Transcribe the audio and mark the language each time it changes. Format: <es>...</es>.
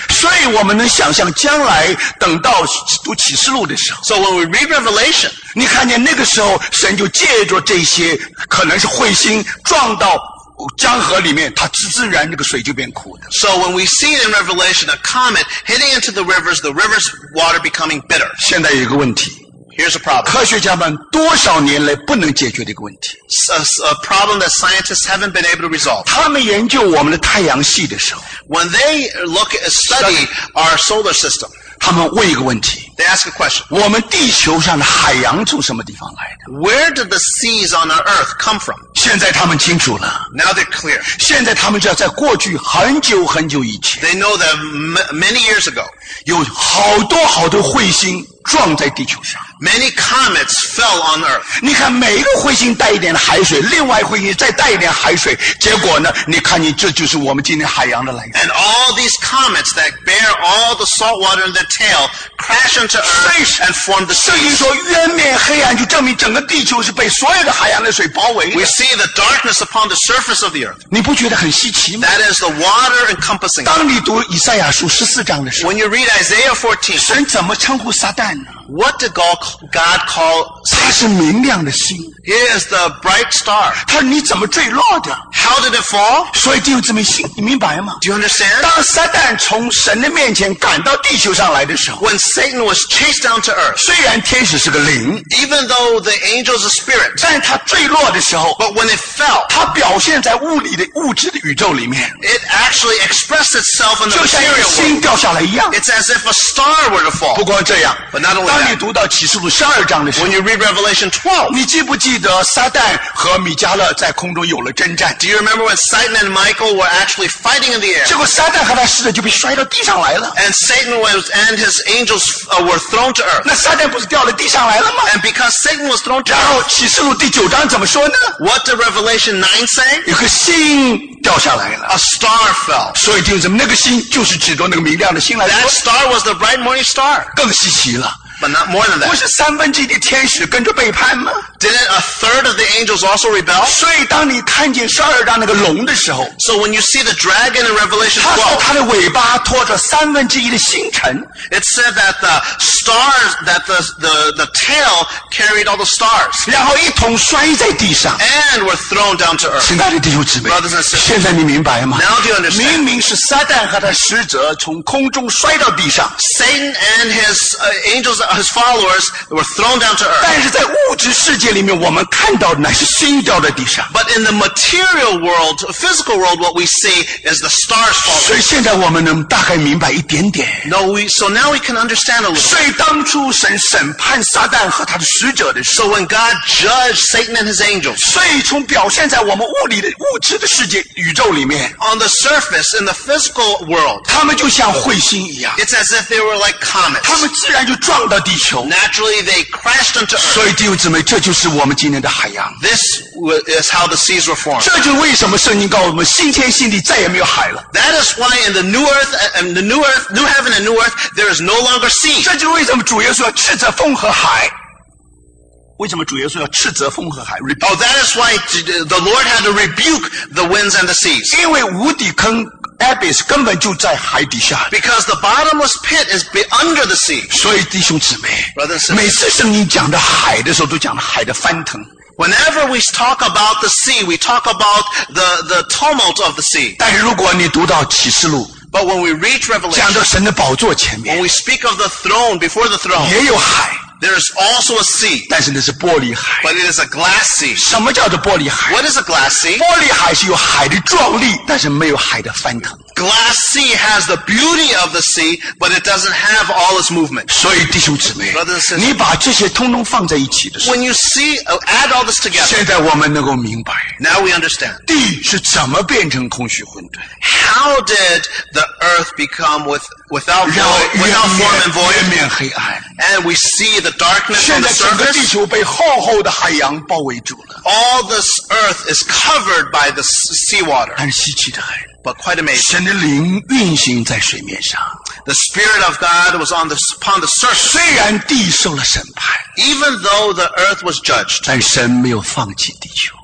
<zh>所以我们能想象将来等到读启示录的时候</zh> <en>，So when we read Revelation,</en> <zh>你看见那个时候神就借着这些可能是彗星撞到。江河里面它自自然这个水就变苦的</zh> <en>So when we see in Revelation a comet hitting into the river's water becoming bitter</en> <zh>现在有一个问题</zh> <en>Here's a problem</en> <zh>科学家们多少年来不能解决的一个问题</zh> <en>A problem that scientists haven't been able to resolve</en> <zh>他们研究我们的太阳系的时候</zh> <en>When they look at study our solar system</en> <zh>他们问一个问题</zh> <en>They ask a question</en> <zh>我们地球上的海洋从什么地方来的</zh> <en>Where did the seas on our earth come from?</en> <zh>现在他们清楚了</zh> <en>Now they're clear.</en> <zh>现在他们知道在过去很久很久以前</zh> <en>They know that many years ago</en> <zh>有好多好多彗星撞在地球上</zh> <en>Many comets fell on Earth.</en> <zh>你看每一个彗星带一点海水另外彗星再带一点海水结果呢你看你这就是我们今天海洋的来源</zh> <en>And all these comets that bear all the salt water in their tail crash into Earth and form the sea.</en> <zh>圣经说渊面黑暗就证明整个地球是被所有的海洋的水包围的</zh> <en>We see the darkness upon the surface of the earth.</en> <zh>你不觉得很稀奇吗</zh> <en>That is the water encompassing.</en> <zh>当你读以赛亚书十四章的时候</zh> <en>When you read Isaiah 14,</en> <zh>神怎么称呼撒旦呢</zh> <en>What did God call Satan?</en> <zh>他是明亮的星</zh> <en>He is the bright star.</en> <zh>他说你怎么坠落的</zh> <en>How did it fall?</en> <zh>所以弟兄姊妹心你明白吗</zh> <en>Do you understand?</en> <zh>当撒旦从神的面前赶到地球上来的时候</zh> <en>When Satan was chased down to earth,</en> <zh>虽然天使是个灵</zh> <en>Even though the angels are spirits,</en> <zh>但他坠落的时候</zh> <en>But when it fell,</en> <zh>他表现在物理的物质的宇宙里面</zh> <en>It actually expressed itself in the material world</en> <zh>就像星掉下来一样</zh> <en>It's as if a star were to fall</en> <zh>不光这样</zh> <en>But not only that</en> <zh>当你读到启示录十二章的时候</zh> <en>When you read Revelation 12</en> <zh>你记不记得撒旦和米迦勒在空中有了征战</zh> <en>Do you remember when Satan and Michael were actually fighting in the air</en> <zh>结果撒旦和他使者就被摔到地上来了</zh> <en>And Satan was, and his angels were thrown to earth</en> <zh>那撒旦不是掉到地上来了吗</zh> <en>And because Satan was thrown to</en> <zh>earth 然后启示录第九章怎么说呢</zh> <en>What did Revelation 9 say</en> <zh>有个星掉下来了</zh> <en>A star fell</en> <zh>所以弟兄姊妹那个星就是指着那个明亮的星来说</zh> <en>That star was the bright morning star</en> <zh>更稀奇了</zh> <en>But not more than that</en> <zh>不是三分之一的天使跟着背叛吗</zh> <en>Didn't a third of the angels also rebel</en> <zh>所以当你看见十二章那个龙的时候</zh> <en>So when you see the dragon in Revelation 12</en> <zh>他说他的尾巴拖着三分之一的星辰</zh> <en>It said that the stars that the tail carried all the stars</en> <zh>然后一同摔在地上</zh> <en>And were thrown down to earth</en> <zh>亲爱的弟兄姊妹</zh> <en>Brothers and sisters</en> <zh>现在你明白吗</zh> <en>Now do you understand</en> <zh>明明是撒旦和他使者从空中摔到地上</zh> <en>Satan and his angels his followers were thrown down to earth</en> <zh>但是在物质世界界里面我们看到的乃是星掉在地上。</zh> <en>But in the material world, physical world, what we see is the stars falling.</en> <zh>所以现在我们能大概明白一点点。</zh> <en>So now we can understand a little.</en> <zh>所以当初神审判撒旦和他的使者的时候。</zh> <en>So when God judged Satan and his angels.</en> <zh>所以从表现在我们物理的物质的世界宇宙里面。</zh> <en>On the surface, in the physical world.</en> <zh>他们就像彗星一样。</zh> <en>It's as if they were like comets.</en> <zh>他们自然就撞到地球。</zh> <en>Naturally, they crashed into earth.</en> <zh>所以弟兄姊妹，这就是我们今天的海洋。</zh> <en>This is how the seas were formed.</en> <zh>这就为什么圣经告诉我们，新天新地再也没有海了。</zh> <en>That is why in the new earth, and the new earth, new heaven and new earth, there is no longer sea.</en> <zh>这就为什么主耶稣要斥责风和海。为什么主耶稣要斥责风和海</zh> <en>？Oh, that is why the Lord had to rebuke the winds and the seas.</en> <zh>因为无底坑 abyss 根本就在海底下。</zh> <en>Because the bottomless pit is under the sea.</en> <zh>所以弟兄姊妹</zh> <en>Brother and sister,</en> <zh>每次圣经讲到海的时候，都讲到海的翻腾。</zh> <en>Whenever we talk about the sea, we talk about the tumult of the sea.</en> <zh>但是如果你读到启示录。</zh> <en>But when we reach Revelation,</en> <zh>讲到神的宝座前面。</zh> <en>When we speak of the throne before the throne,</en> <zh>也有海。</zh> <en>There is also a sea.</en> <zh>但是那是玻璃海。</zh> <en>But it is a glass sea.</en> <zh>什么叫做玻璃海？</zh> <en>What is a glass sea?</en> <zh>玻璃海是有海的壮丽，但是没有海的翻腾。</zh> <en>Glass sea has the beauty of the sea, but it doesn't have all its movement.</en> <zh>所以弟兄姊妹，</zh> <en>Brother and sister,</en> <zh>你把这些通通放在一起的时候，</zh> <en>When you see, add all this together,</en> <zh>现在我们能够明白，</zh> <en>Now we understand.</en> <zh>地是怎么变成空虚混沌？</zh> <en>How did the earth become without form and void?</en> <zh>月面黑暗。</zh> <en>And we see the darkness on the surface.</en> <zh>现在整个地球被厚厚的海洋包围住了。</zh> <en>All this earth is covered by the seawater.</en> <zh>但是稀奇的很。</zh> <en>But quite amazing.</en> <zh>神的灵运行在水面上。</zh> <en>The Spirit of God was upon the surface.</en> <zh>虽然地受了审判。</zh> <en>Even though the earth was judged.</en> <zh>但神没有放弃地球。</zh>